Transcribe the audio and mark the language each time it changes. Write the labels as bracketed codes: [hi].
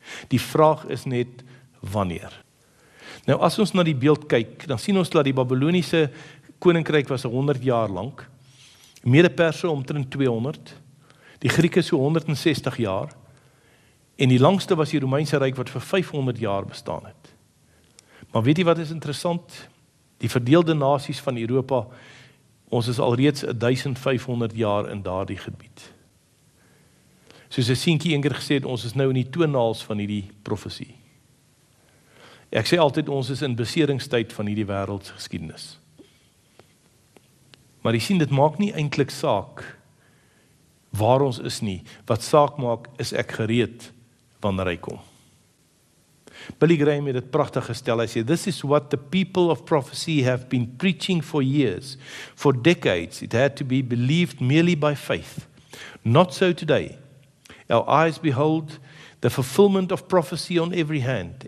[af] Die vraag is net wanneer. Nou as ons na die beeld kyk, dan sien ons dat die Babyloniese koninkryk was 100 jaar lank, Mede-Perse omtrent 200, die Grieke so 160 jaar, en die langste was die Romeinse Ryk wat vir 500 jaar bestaan het. Maar weet jy wat is interessant? Die verdeelde nasies van Europa, ons is alreeds 1500 jaar in daardie gebied. Soos een sienkie een keer gesê het, ons is nou in die toenaals van die profesie. Ek sê altyd, ons is in beseringstyd van die wêreldse geskiedenis. Maar jy sien, dit maak nie eintlik saak waar ons is nie. Wat saak maak, is ek gereed wanneer hy kom. Billy Graham het dit prachtig gestel, hy sê, [en] this is what the people of prophecy have been preaching for years, for decades, it had to be believed merely by faith. Not so today. Our eyes behold the fulfillment of prophecy on every hand.